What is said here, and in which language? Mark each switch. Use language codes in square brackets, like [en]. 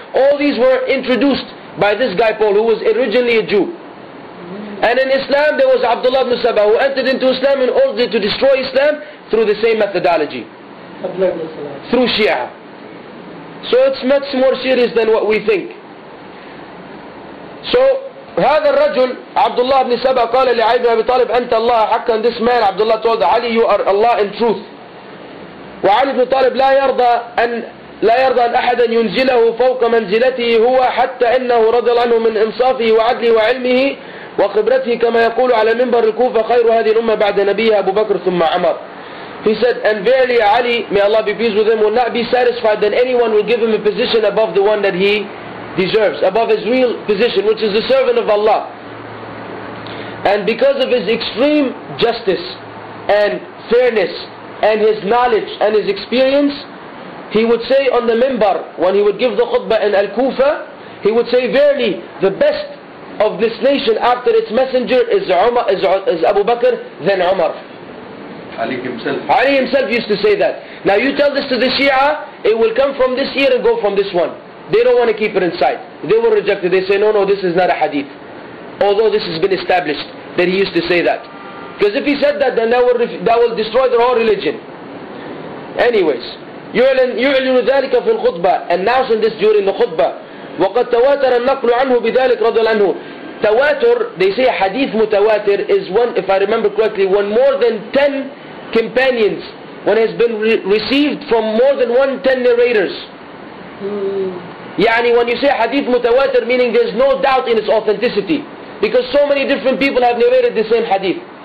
[en] All these were introduced by this guy Paul, who was originally a Jew. And in Islam there was Abdullah ibn Saba, who entered into Islam in order to destroy Islam through the same methodology, through Shia. So it's much more serious than what we think. [ar] So هذا الرجل عبد الله بن سبأ قال لعلي بن أبي طالب أنت الله حقا. [en] This man Abdullah told Ali, you are Allah in truth. [ar] وعلي بن طالب لا يرضى أن أحدا ينزله فوق منزلته هو, حتى إنه رضي عنه من إنصافه وعدله وعلمه وخبرته كما يقول على منبر الكوفة خير هذه الأمة بعد نبيها أبو بكر ثم عمر. [en] He said, and verily Ali, may Allah be pleased with him, will not be satisfied that anyone will give him a position above the one that he deserves, above his real position, which is the servant of Allah. And because of his extreme justice and fairness and his knowledge and his experience, he would say on the minbar, when he would give the khutbah in Al-Kufa, he would say, verily the best of this nation after its messenger is Umar, is Abu Bakr, then Umar. Ali himself used to say that. Now you tell this to the Shia, it will come from this ear and go from this one. They don't want to keep it inside. They will reject it. They say, no, this is not a hadith. Although this has been established that he used to say that. Because if he said that, then that will destroy their whole religion. Anyways, [ar] يعلن ذلك في الخطبة, [en] announcing this during the khutbah. [ar] وقد تواتر النقل عنه بذلك رضي الله عنه. [en] Tawatur, they say a hadith mutawatir is one, if I remember correctly, when more than 10 companions, when it has been received from more than 10 narrators. Yani, when you say hadith mutawatir, meaning there's no doubt in its authenticity, because so many different people have narrated the same hadith.